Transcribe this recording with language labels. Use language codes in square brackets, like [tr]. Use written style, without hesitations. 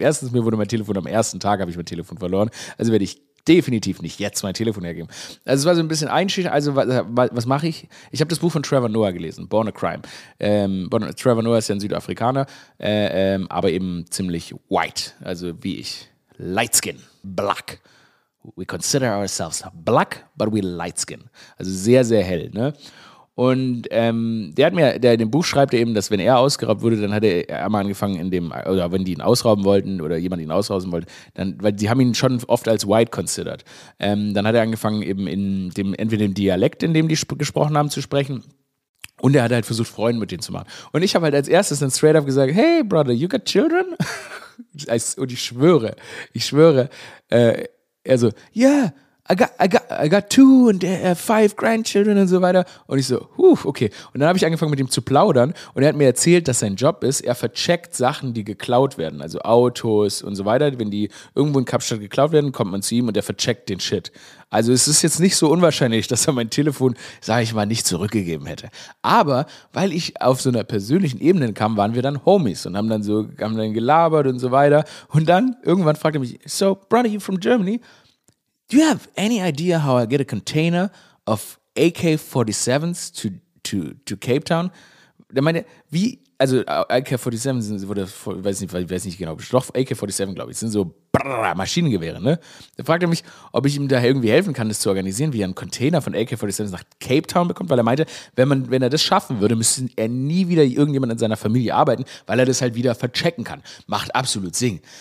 [de] Erstens, mir wurde mein Telefon am ersten Tag, habe ich mein Telefon verloren, also werde ich definitiv nicht jetzt mein Telefon hergeben. Also es war so ein bisschen einschüchternd. Also was mache ich? Ich habe das Buch von Trevor Noah gelesen, Born a Crime. Trevor Noah ist ja ein Südafrikaner, aber eben ziemlich white. Also wie ich. [en] Light skin, black. We consider ourselves black, but we light skin. [de] Also sehr, sehr hell, ne? Und der in dem Buch schreibt eben, dass wenn er ausgeraubt wurde, dann hat er einmal angefangen, wenn die ihn ausrauben wollten oder jemand ihn ausrauben wollte, dann, weil sie haben ihn schon oft als [en] white considered. [de] Dann hat er angefangen, eben entweder im Dialekt, in dem die gesprochen haben, zu sprechen. Und er hat halt versucht, Freunde mit denen zu machen. Und ich habe halt als erstes dann straight up gesagt, [en] hey brother, you got children? [de] Und ich schwöre, er so, yeah. [en] I got two and five grandchildren [de] und so weiter. Und ich so, huh, okay. Und dann habe ich angefangen, mit ihm zu plaudern. Und er hat mir erzählt, dass sein Job ist, er vercheckt Sachen, die geklaut werden. Also Autos und so weiter. Wenn die irgendwo in Kapstadt geklaut werden, kommt man zu ihm und er vercheckt den Shit. Also es ist jetzt nicht so unwahrscheinlich, dass er mein Telefon, sage ich mal, nicht zurückgegeben hätte. Aber weil ich auf so einer persönlichen Ebene kam, waren wir dann Homies und haben dann gelabert und so weiter. Und dann irgendwann fragt er mich, so, [en] brother, you from Germany? Do you have any idea how I get a container of AK-47s to Cape Town? [de] Der meinte, wie, also AK-47 sind, wurde, ich weiß nicht genau, doch AK-47, glaube ich, sind so Maschinengewehre, ne? Da fragt er mich, ob ich ihm da irgendwie helfen kann, das zu organisieren, wie er einen Container von AK-47 nach Cape Town bekommt, weil er meinte, wenn er das schaffen würde, müsste er nie wieder irgendjemand in seiner Familie arbeiten, weil er das halt wieder verchecken kann. Macht absolut Sinn.